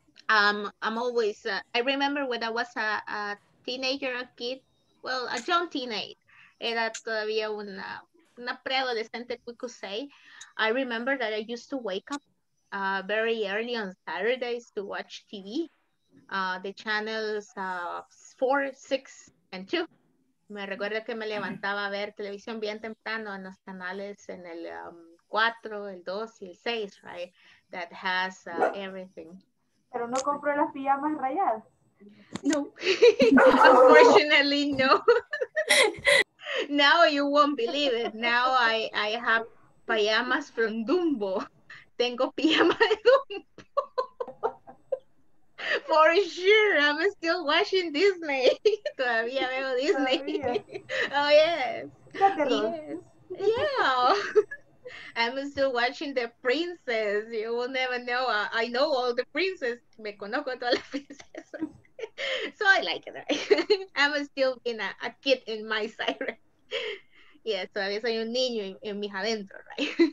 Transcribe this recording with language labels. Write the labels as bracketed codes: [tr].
[en] I'm always, I remember when I was a teenager, a kid, well, a young teenager, [es] era todavía una preadolescente, [en] we could say. I remember that I used to wake up very early on Saturdays to watch TV, the channels 4, 6, and 2. [es] Me recuerdo que me levantaba a ver televisión bien temprano en los canales en el 4, el 2 y el 6, right? [en] That has everything. [es] ¿Pero no compró las pijamas rayadas? [en] No. Unfortunately, no. Now you won't believe it. Now I have pijamas from Dumbo. [es] Tengo pijama de Dumbo. [en] For sure, I'm still watching Disney. [es] Todavía veo Disney. [en] Oh, yes. Yes. Yeah. I'm still watching the princess. You will never know. I know all the princes. [es] Me conozco todas las princesas. [en] So I like it. I'm still being a kid in my side, right? [es] Yes, todavía soy un niño en mis adentros, right?